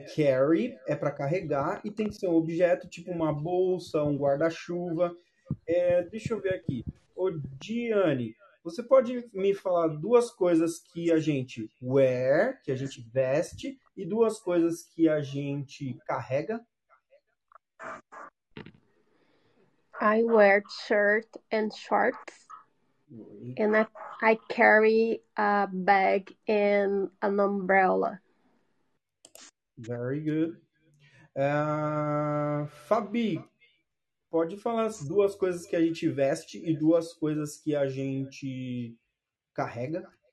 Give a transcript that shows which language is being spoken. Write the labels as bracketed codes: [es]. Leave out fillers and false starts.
[pt] Carry é para carregar e tem que ser um objeto, tipo uma bolsa, um guarda-chuva. Deixa eu ver aqui. Ô, Diane, você pode me falar duas coisas que a gente wear, que a gente veste, e duas coisas que a gente carrega? [en] I wear shirt and shorts, and I carry a bag and an umbrella. Very good. [pt] Fabi, pode falar as duas coisas que a gente veste e duas coisas que a gente carrega?